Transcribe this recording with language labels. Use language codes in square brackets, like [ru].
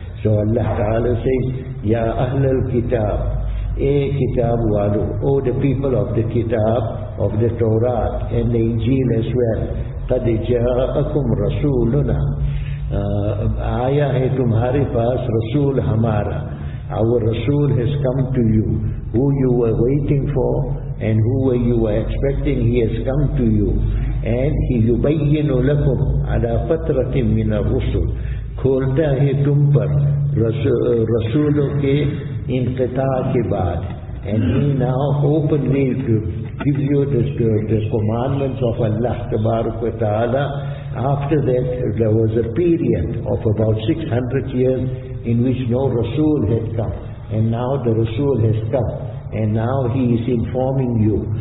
[en] So Allah Ta'ala says, Ya Ahlul Kitab, A Kitab Walu, O the people of the Kitab, of the Torah, and the Injil as well, [ar] قَدْ جَاءَكُمْ رَسُولُنَا [ur] آیا ہے تمہارے پاس رسول ہمارا. [en] Our Rasul has come to you, who you were waiting for and who you were expecting, he has come to you. And he [ar] يُبَيِّنُ لَكُمْ عَلَى فَتْرَةٍ مِّنَ الرُّسُلْ [ur] کھولتا ہے تم پر رسولوں کے انقطاع کے بعد. [en] And he now openly gives you the commandments of Allah Tabaraka wa Ta'ala. After that, there was a period of about 600 years in which no Rasul had come. And now the Rasul has come. And now he is informing you.